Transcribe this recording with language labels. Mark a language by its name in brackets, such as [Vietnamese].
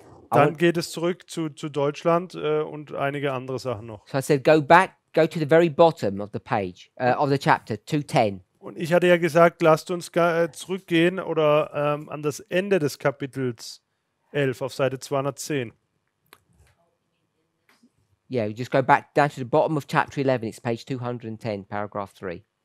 [German] Dann geht es zurück zu Deutschland und einige andere Sachen noch. [English] So I said, go back, go to the very bottom of the page, of the chapter, 210. [German] Und ich hatte ja gesagt, lasst uns zurückgehen oder an das Ende des Kapitels 11 auf Seite 210. [English] Yeah, just go back down to the bottom of chapter 11, it's page 210, paragraph 3.